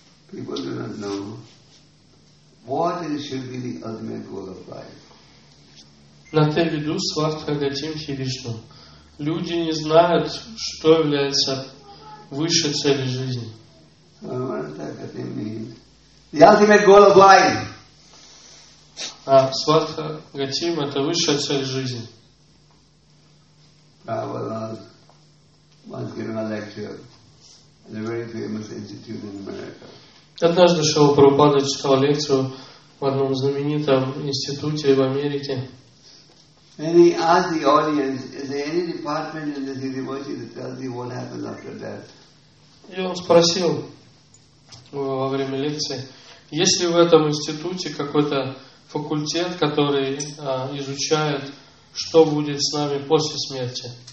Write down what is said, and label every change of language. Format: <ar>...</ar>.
<en>What should be the ultimate goal of life?</en> <sa>На те виду Сварта Гатим Хиришну.</sa> <ru>Люди не знают, что является высшей целью жизни.</ru> <en>The ultimate goal of life.</en> <ru>А Сварта Гатим это высшая цель жизни.</ru> <en>Prabhupada was giving a lecture at a very famous institute in America.</en> <ru>Однажды Шрила Прабхупада читал лекцию в одном знаменитом институте в Америке.</ru> <en>And he asked the audience, is there any department in this university that tells you what happens after death?</en> <ru>И он спросил во время лекции, есть ли в этом институте какой-то факультет, который изучает, что будет с нами после смерти.</ru>